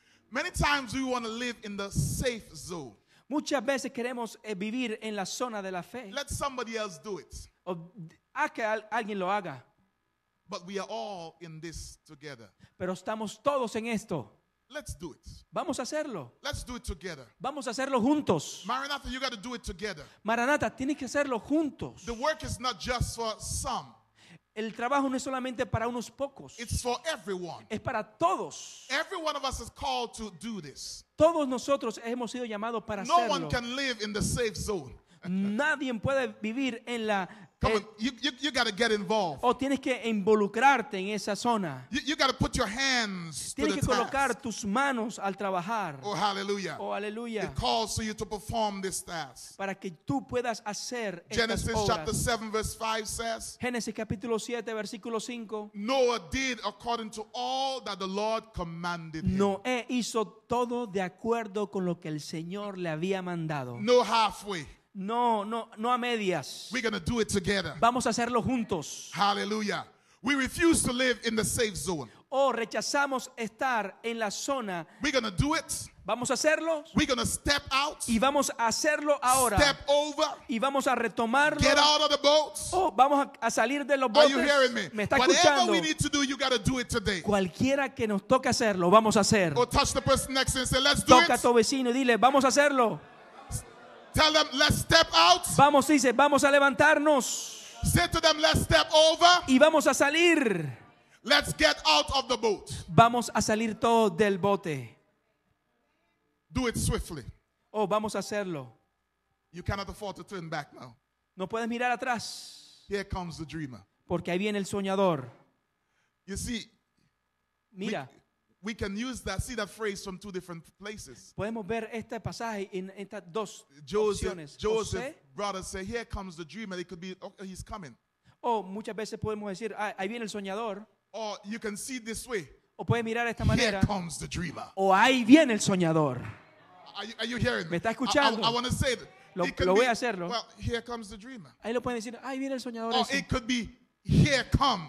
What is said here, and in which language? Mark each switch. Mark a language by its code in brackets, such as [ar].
[en] Many times we want to live in the safe zone. [es] Muchas veces queremos vivir en la zona de la fe. [en] Let somebody else do it. [es] O a que alguien lo haga. [en] But we are all in this together. [es] Pero estamos todos en esto. [en] Let's do it. [es] Vamos a hacerlo. [en] Let's do it together. [es] Vamos a hacerlo juntos. [en] Maranatha, you got to do it together. [es] Maranatha, tienes que hacerlo juntos. [en] The work is not just for some. [es] El trabajo no es solamente para unos pocos. [en] It's for everyone. [es] Es para todos. [en] Every one of us is called to do this. [es] Todos nosotros hemos sido llamados para no hacerlo. [en] No one can live in the safe zone. [es] Nadie puede vivir en la [en] Come on, you got to get involved. [es] O tienes que involucrarte en esa zona. [en] You got to put your hands [es] tienes Tienes que colocar tus manos al trabajar. [en] Oh, hallelujah. Oh, hallelujah. It calls for you to perform this task. [es] Para que tú puedas hacer estas [en] Genesis [es] obras. [en] Chapter 7 verse 5 says. [es] Génesis capítulo 7 versículo 5. [en] Noah did according to all that the Lord commanded him. [es] Noé hizo todo de acuerdo con lo que el Señor le había mandado. [en] No halfway. [es] No a medias. [en] We're going to do it together. [es] Vamos a hacerlo juntos. [en] Hallelujah. We refuse to live in the safe zone. [es] Oh, rechazamos estar en la zona. [en] We're going to do it. [es] Vamos a hacerlo. [en] We're going to step out. [es] Y vamos a hacerlo ahora. [en] Step over. [es] Y vamos a retomarlo. [en] Get out of the boats. [es] Oh, vamos a salir de los botes. [en] Are you hearing me? [es] ¿Me está [en] Whatever [es] escuchando? [en] We need to do, you got to do it today. [es] Cualquiera que nos toque hacerlo, vamos a hacer. [en] Or touch the person next to you and say, let's do [es] Toca [en] it. [es] A tu vecino y dile, vamos a hacerlo. [en] Tell them, let's step out. [es] Vamos, dice, vamos a levantarnos. [en] Say to them, let's step over. [es] Y vamos a salir. [en] Let's get out of the boat. [es] Vamos a salir todo del bote. [en] Do it swiftly. [es] Oh, vamos a hacerlo. [en] You cannot afford to turn back now. [es] No puedes mirar atrás. [en] Here comes the dreamer. [es] Porque ahí viene el soñador. [en] You see. [es] Mira. [en] We can use that. See that phrase from two different places. [es] Podemos ver este pasaje en estas dos [en] Joseph, [es] opciones. [en] Joseph, brother, say, "Here comes the dreamer. It could be oh, he's coming." [es] O muchas veces podemos decir, ahí viene el soñador. [en] Or you can see this way. [es] O puede mirar de esta manera. [en] Here comes the dreamer. [es] O ahí viene el soñador. [en] Are you hearing? [es] ¿Me está escuchando? [en] I want to say it. [es] Lo voy a hacerlo. [en] Well, here comes the dreamer. [es] Ahí lo pueden decir, ahí viene el soñador. [en] Or [es] ese. [en] It could be, here comes.